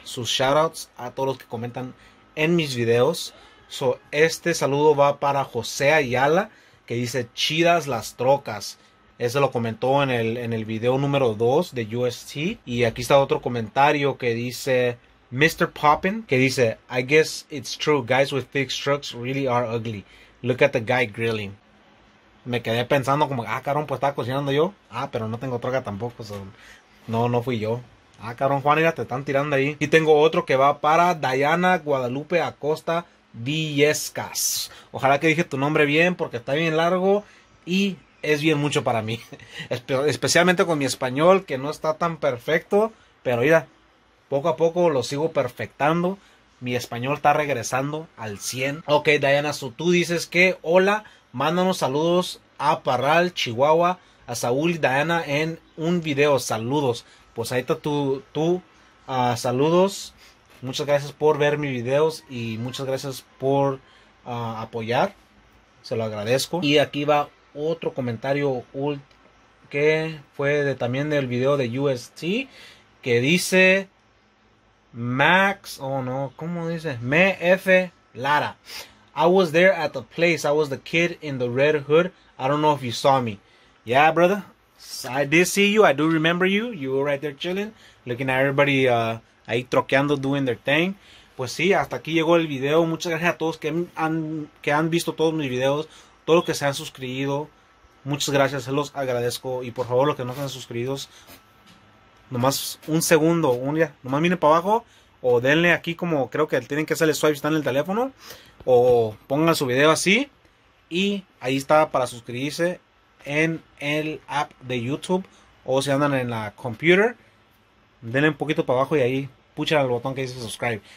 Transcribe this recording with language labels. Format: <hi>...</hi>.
<es>Sus shoutouts a todos los que comentan en mis videos. So, este saludo va para José Ayala, que dice, chidas las trocas. Ese lo comentó en el video número 2 de UST. Y aquí está otro comentario que dice, Mr.</es> <en>Poppin,</en> <es>que dice,</es> <en>I guess it's true, guys with thick trucks really are ugly. Look at the guy grilling.</en> <es>Me quedé pensando como, ah, cabrón, pues estaba cocinando yo. Ah, pero no tengo troca tampoco. So, no fui yo. Ah, cabrón, Juan, mira, te están tirando ahí. Y tengo otro que va para Diana Guadalupe Acosta Villescas. Ojalá que dije tu nombre bien porque está bien largo y es bien mucho para mí. Especialmente con mi español que no está tan perfecto. Pero mira, poco a poco lo sigo perfectando. Mi español está regresando al 100. Ok, Diana, so tú dices que hola, mándanos saludos a Parral, Chihuahua, a Saúl y Diana en un video. Saludos. Pues ahí está tu saludos. Muchas gracias por ver mis videos y muchas gracias por apoyar. Se lo agradezco. Y aquí va otro comentario que fue también del video de UST, que dice Max, ¿cómo dice?</es> <en>Me F Lara. I was there at the place. I was the kid in the red hood. I don't know if you saw me. Yeah, brother. I did see you. I do remember you. You were right there chilling, looking at everybody</en> <es>ahí troqueando,</es> <en>doing their thing.</en> <es>Pues sí, hasta aquí llegó el video. Muchas gracias a todos que han visto todos mis videos, todos los que se han suscrito. Muchas gracias, se los agradezco. Y por favor, los que no están suscritos, nomás un segundo, ya, nomás miren para abajo o denle aquí como creo que tienen que hacerle swipe si están en el teléfono, o pongan su video así y ahí está para suscribirse en el app de YouTube, o si andan en la computer, denle un poquito para abajo y ahí puchen al botón que dice subscribe.</es>